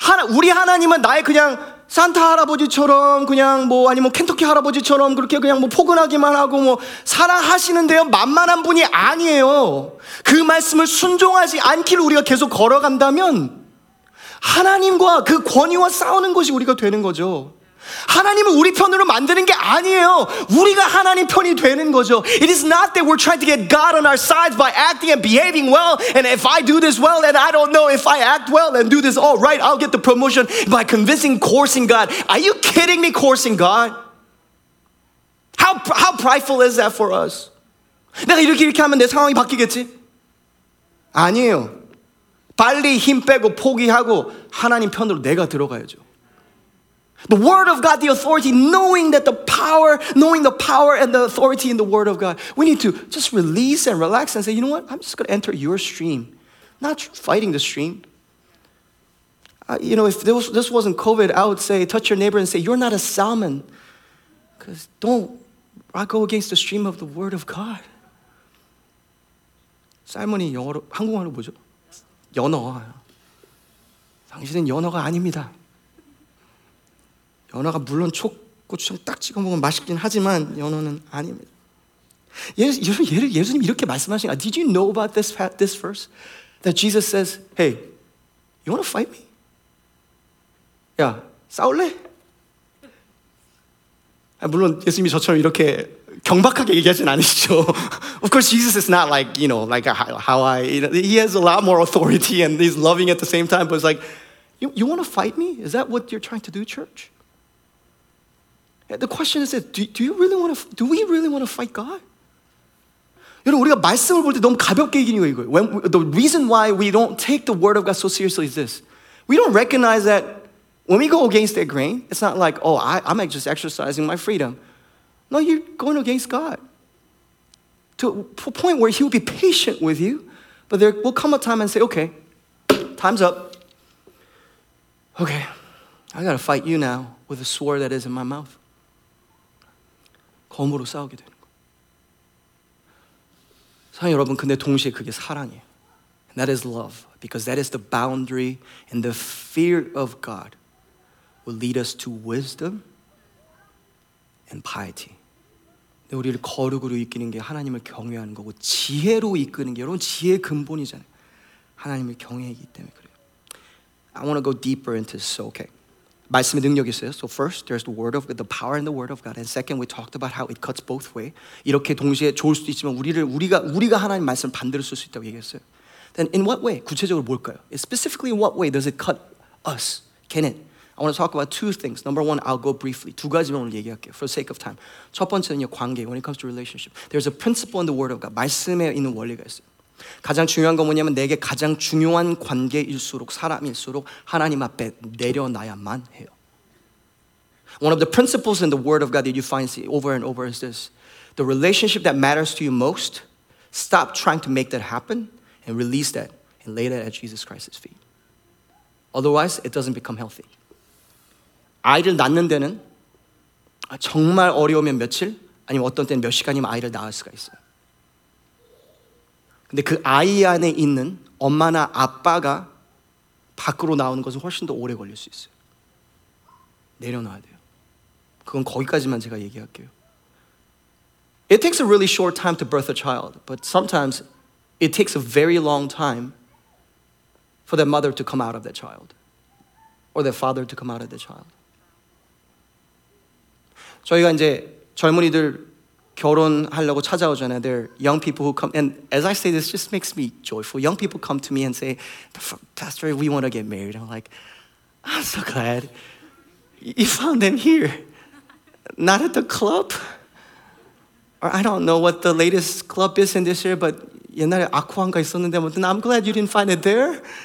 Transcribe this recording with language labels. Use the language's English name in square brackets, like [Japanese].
[Korean] 우리 하나님은 나의 그냥 산타 할아버지처럼 그냥 뭐 아니면 켄터키 할아버지처럼 그렇게 그냥 뭐 포근하기만 하고 뭐 사랑하시는데요. 만만한 분이 아니에요. 그 말씀을 순종하지 않기를 우리가 계속 걸어간다면 하나님과 그 권위와 싸우는 것이 우리가 되는 거죠. 하나님을 우리 편으로 만드는 게 아니에요. 우리가 하나님 편이 되는 거죠. [English] It is not that we're trying to get God on our side by acting and behaving well. And if I do this well, then I don't know if I act well and do this all right, I'll get the promotion by convincing, coercing God. Are you kidding me, coercing God? How prideful is that for us? [Korean] 내가 이렇게 이렇게 하면 내 상황이 바뀌겠지? 아니에요. 빨리 힘 빼고 포기하고 하나님 편으로 내가 들어가야죠. [English] The word of God, the authority, knowing that the power, knowing the power and the authority in the word of God. We need to just release and relax and say, you know what? I'm just going to enter your stream. Not fighting the stream. You know, if this wasn't COVID, I would say, touch your neighbor and say, you're not a salmon. Because don't I go against the stream of the word of God. [Korean] Salmon이 영어로, 한국어로 뭐죠? 연어. 당신은 연어가 아닙니다. 연어가 물론 초고추장 딱 찍어 먹으면 맛있긴 하지만 연어는 아닙니다. 예수님 이렇게 말씀하신 거. [English] Did you know about this verse? That Jesus says, hey, you want to fight me? [Korean] 야, 싸울래? 아, 물론 예수님이 저처럼 이렇게 경박하게 얘기하진 않으시죠. [English] Of course, Jesus is not like, you know, like how I, you know, he has a lot more authority and he's loving at the same time. But it's like, you want to fight me? Is that what you're trying to do, church? The question is, do we really want to fight God? [Korean] 여러분, 우리가 말씀을 볼 때 너무 가볍게 얘기하는 거예요, 이거예요. [English] The reason why we don't take the word of God so seriously is this. We don't recognize that when we go against that grain, it's not like, oh, I'm just exercising my freedom. No, you're going against God. To a point where he'll be patient with you, but there will come a time and say, okay, time's up. Okay, I got to fight you now with the sword that is in my mouth. [Korean] 검으로 싸우게 되는 거예요. 사랑 여러분, 근데 동시에 그게 사랑이에요. [English] And that is love. Because that is the boundary and the fear of God will lead us to wisdom and piety. [Korean] 근데 우리를 거룩으로 이끄는 게 하나님을 경외하는 거고 지혜로 이끄는 게 여러분 지혜의 근본이잖아요. 하나님을 경외하기 때문에 그래요. [English] I want to go deeper into this, so okay. [Korean] 말씀의 능력이 있어요. [English] So first, there's the word of God, the power and the word of God. And second, we talked about how it cuts both ways. [Korean] 이렇게 동시에 좋을 수도 있지만 우리가 하나님 말씀 반대로 쓸 수 있다고 얘기했어요. [English] Then in what way? [Korean] 구체적으로 뭘까요? [English] Specifically, in what way does it cut us? Can it? I want to talk about two things. Number one, I'll go briefly. [Korean] 두 가지만 오늘 얘기할게요. [English] For the sake of time. [Korean] 첫 번째는요, 관계. [English] When it comes to relationship, there's a principle in the word of God. [Korean] 말씀에 있는 원리가 있어요. 가장 중요한 건 뭐냐면 내게 가장 중요한 관계일수록 사람일수록 하나님 앞에 내려놔야만 해요. [English] One of the principles in the word of God that you find over and over is this. the relationship that matters to you most, stop trying to make that happen and release that and lay that at Jesus Christ's feet. Otherwise, it doesn't become healthy. [Korean] 아이를 낳는 데는 정말 어려우면 며칠 아니면 어떤 때는 몇 시간이면 아이를 낳을 수가 있어요. 근데 그 아이 안에 있는 엄마나 아빠가 밖으로 나오는 것은 훨씬 더 오래 걸릴 수 있어요. 내려놔야 돼요. 그건 거기까지만 제가 얘기할게요. [English] It takes a really short time to birth a child, but sometimes it takes a very long time for the mother to come out of that child or the father to come out of the child. [Korean] 저희가 이제 젊은이들 결혼하려고 찾아오잖아요. [English] There are young people who come, and as I say this, just makes me joyful. Young people come to me and say, Pastor, we want to get married. I'm like, I'm so glad you found them here. Not at the club. Or I don't know what the latest club is in this year, but [Korean] 옛날에 아쿠안가 있었는데, [English] I'm glad you didn't find it there.